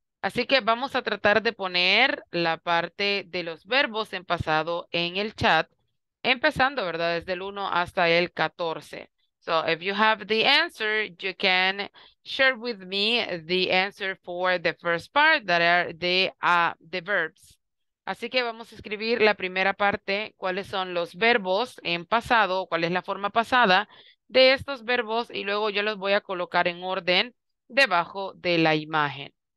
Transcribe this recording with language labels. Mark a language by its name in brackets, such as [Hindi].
[Spanish] Así que vamos a tratar de poner la parte de los verbos en pasado en el chat, empezando, ¿verdad? Desde el 1 hasta el 14. [English] So, if you have the answer, you can share with me the answer for the first part, that are the verbs. [Spanish] Así que vamos a escribir la primera parte, cuáles son los verbos en pasado, cuál es la forma pasada de estos verbos, y luego yo los voy a colocar en orden debajo de la imagen.